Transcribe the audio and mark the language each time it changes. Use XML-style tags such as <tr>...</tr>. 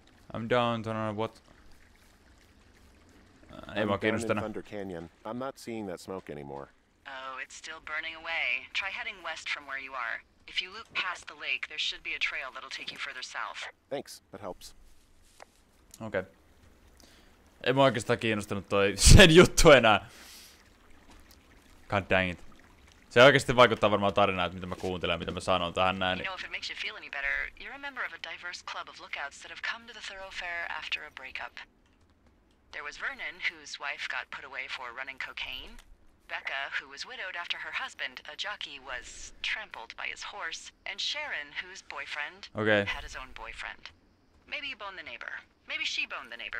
<en>I'm down, don't know what. I'm down in Thunder Canyon. I'm not seeing that smoke anymore. Oh, it's still burning away. Try heading west from where you are. If you loop past the lake, there should be a trail that'll take you further south. Thanks, that helps. Okay.</en> <fi>Ei mua oikeastaan kiinnostanut toi sen juttu enää.</fi> <en>God dang it.</en> <fi>Se oikeesti vaikuttaa varmaan tarinaan, että mitä mä kuuntelen ja mitä mä sanon tähän näin.</fi> <en>You know, if it makes you feel any better, you're a member of a diverse club of lookouts that have come to the thoroughfare after a breakup. There was Vernon, whose wife got put away for running cocaine. Becca, who was widowed after her husband, a jockey, was trampled by his horse. And Sharon, whose boyfriend had his own boyfriend. Maybe you boned the neighbor. Maybe she boned the neighbor.</en>